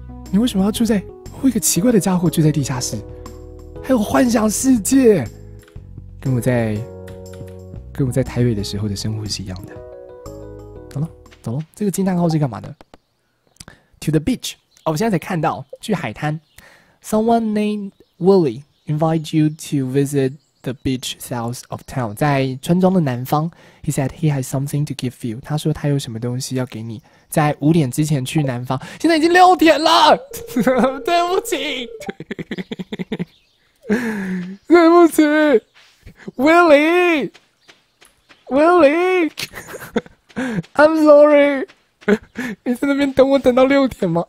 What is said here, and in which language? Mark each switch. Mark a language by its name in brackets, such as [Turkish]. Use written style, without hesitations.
[Chinese] 你为什么要住在我一个奇怪的家伙住在地下室，还有幻想世界，跟我在台北的时候的生活是一样的。走了，走了。这个惊叹号是干嘛的 ？ [English] To the beach。 [Chinese] 哦，我现在才看到，去海滩。 [English] Someone named Willie invites you to visit the beach south of town。 [Chinese] 在村庄的南方。 [English] He said he has something to give you。 [Chinese] 他说他有什么东西要给你。在五点之前去南方，现在已经六点了，对不起，对不起 ，Willie， [English] I'm sorry， [Chinese] 你在那边等我等到六点吗？